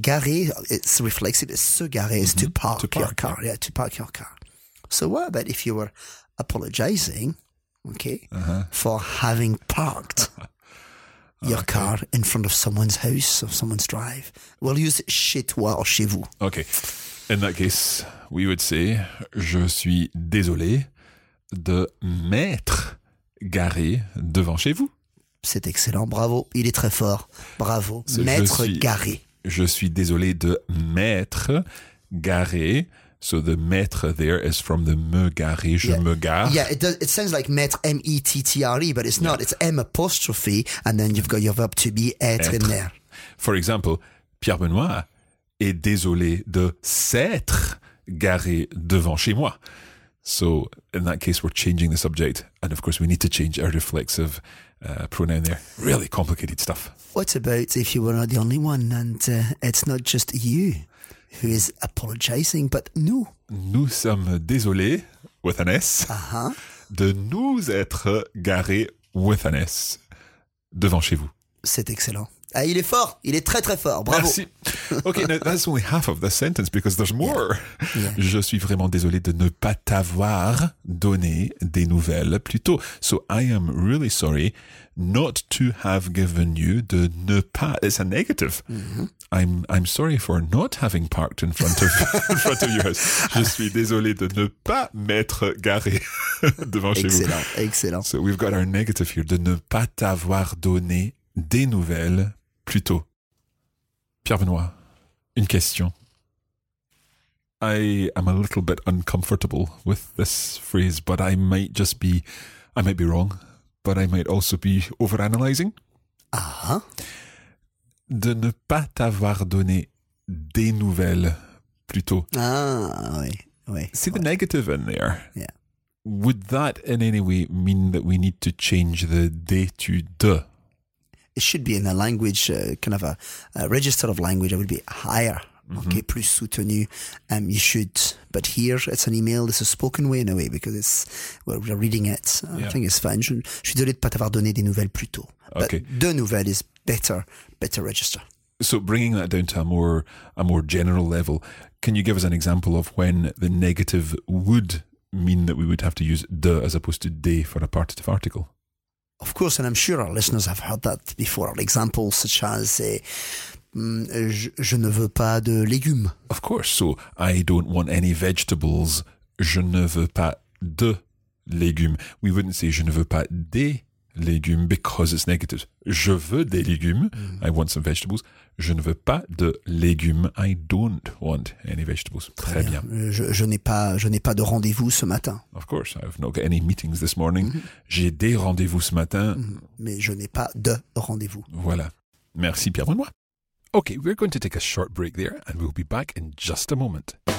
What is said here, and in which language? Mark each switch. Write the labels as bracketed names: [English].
[English] Garé, it's reflexive. It's [French] se garer, [English] it's to park your car. Yeah, to park your car. So what about if you were apologizing, for having parked your car in front of someone's house or someone's drive? We'll use [French] chez toi [English] or [French] chez vous. [English] Okay. In that case, we would say, [French] je suis désolé de m'être garé devant chez vous. C'est excellent, bravo, il est très fort. Bravo, Maître Garé. Je suis désolé de Maître Garé. [English] So the maître there is from the [French] me garé, je me gare. [English] Yeah, it, does, it sounds like maître, M-E-T-T-R-E, but it's not. It's M apostrophe, and then you've got your verb to be, [French] être maître. For example, Pierre Benoît est désolé de s'être garé devant chez moi. [English] So in that case, we're changing the subject. And of course, we need to change our reflexive pronoun there. Really complicated stuff. What about if you were not the only one and it's not just you who is apologizing, but nous? [French] Nous sommes désolés, [English] with an S, uh-huh, [French] de nous être garés, [English] with an S, [French] devant chez vous. C'est excellent. Ah, il est fort, il est très très fort, bravo. Merci. [English] Okay, now that's only half of the sentence because there's more. Yeah. Yeah. [French] Je suis vraiment désolé de ne pas t'avoir donné des nouvelles plus tôt. [English] So I am really sorry not to have given you, [French] de ne pas, [English] it's a negative. Mm-hmm. I'm sorry for not having parked in front of in front of your house. [French] Je suis désolé de ne pas m'être garé devant chez vous. Excellent, excellent. [English] So we've got our negative here, [French] de ne pas t'avoir donné des nouvelles plus tôt. Pierre Benoît, une question. [English] I am a little bit uncomfortable with this phrase, but I might be wrong, but I might also be overanalyzing. Ah. Uh-huh. [French] De ne pas t'avoir donné des nouvelles plus tôt. Ah, oui, oui. [English] See the negative in there. Yeah. Would that in any way mean that we need to change the de to de? It should be in a language, kind of a register of language. It would be higher, mm-hmm, okay, [French] plus soutenu. [English] You should, but here it's an email. It's a spoken way in a way because it's, well, we're reading it. Yeah. I think it's fine. [French] Je suis désolé de pas t'avoir donné des nouvelles plus tôt. [English] Okay. But [French] de nouvelles [English] is better register. So bringing that down to a more general level, can you give us an example of when the negative would mean that we would have to use de as opposed to des for a partitive article? Of course, and I'm sure our listeners have heard that before. An example such as, [French] je ne veux pas de légumes. [English] Of course, so I don't want any vegetables. [French] Je ne veux pas de légumes. [English] We wouldn't say [French] je ne veux pas des légumes [English] because it's negative. [French] Je veux des légumes. Mm. [English] I want some vegetables. [French] Je ne veux pas de légumes. [English] I don't want any vegetables. [French] Très bien. Je n'ai pas de rendez-vous ce matin. [English] Of course, I've not got any meetings this morning. Mm-hmm. [French] J'ai des rendez-vous ce matin. Mm-hmm. Mais je n'ai pas de rendez-vous. Voilà. Merci, Pierre Benoît. [English] Okay, we're going to take a short break there and we'll be back in just a moment.